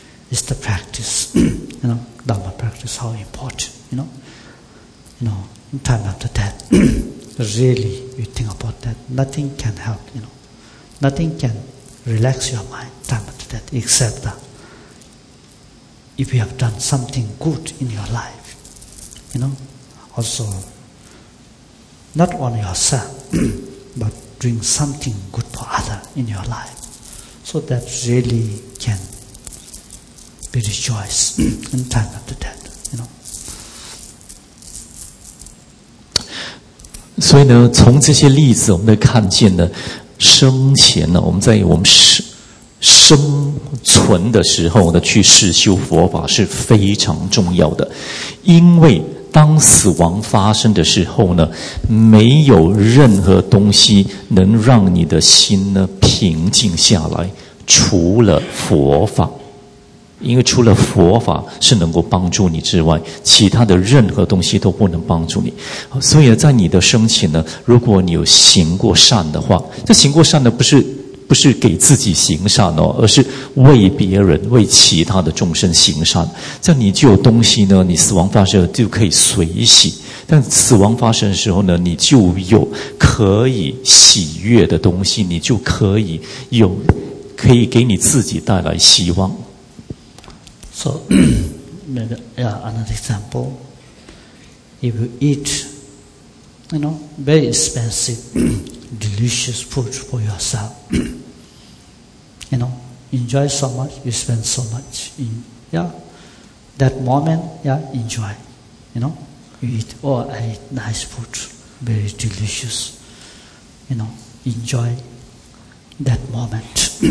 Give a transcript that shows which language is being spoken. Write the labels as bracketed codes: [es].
[en] It's the practice, you know, Dharma practice, how important, you know, in time after that, really, you think about that, nothing can help, you know, nothing can relax your mind time after that, except that if you have done something good in your life, you know, also, not on yourself, but doing something good for others in your life, so that really can. Be rejoiced in time after death, you know. [zh] 所以呢，从这些例子，我们都看见呢，生前呢，我们在我们生存的时候呢，去实修佛法是非常重要的，因为当死亡发生的时候呢，没有任何东西能让你的心呢平静下来，除了佛法。因为除了佛法是能够帮助你之外，其他的任何东西都不能帮助你。所以在你的生前呢，如果你有行过善的话，这行过善呢不是给自己行善哦，而是为别人、为其他的众生行善。这样你就有东西呢，你死亡发生就可以随喜。但死亡发生的时候呢，你就有可以喜悦的东西，你就可以有可以给你自己带来希望。 [en] So, maybe, yeah, another example. If you eat, you know, very expensive, delicious food for yourself, you know, enjoy so much, you spend so much in, yeah, that moment, yeah, enjoy, you know, you eat, oh, I eat nice food, very delicious, you know, enjoy that moment.